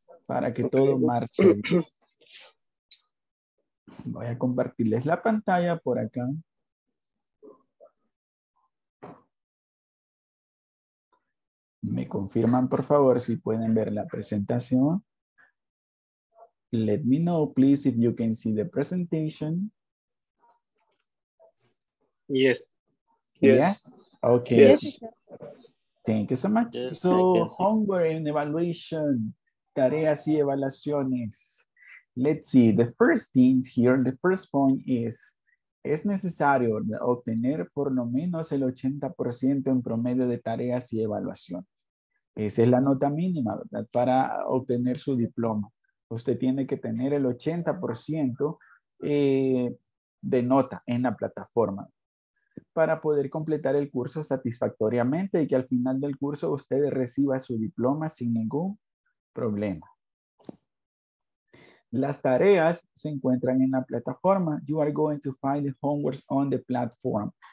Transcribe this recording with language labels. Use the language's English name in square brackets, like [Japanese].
[Spanish] Para que todo marche bien. Voy a compartirles la pantalla por acá. Me confirman, por favor, si pueden ver la presentación. [English] Let me know, please, if you can see the presentation. Yes. Yes. Yeah? Okay. Yes. Thank you so much. Yes, so, homework and evaluation. [Spanish] Tareas y evaluaciones. [English] Let's see. The first thing here, the first point is, [Spanish] es necesario obtener por lo menos el 80% en promedio de tareas y evaluaciones. Esa es la nota mínima, ¿verdad? Para obtener su diploma. Usted tiene que tener el 80% de nota en la plataforma para poder completar el curso satisfactoriamente y que al final del curso usted reciba su diploma sin ningún problema. Las tareas se encuentran en la plataforma. [English] You are going to find the homeworks on the platform.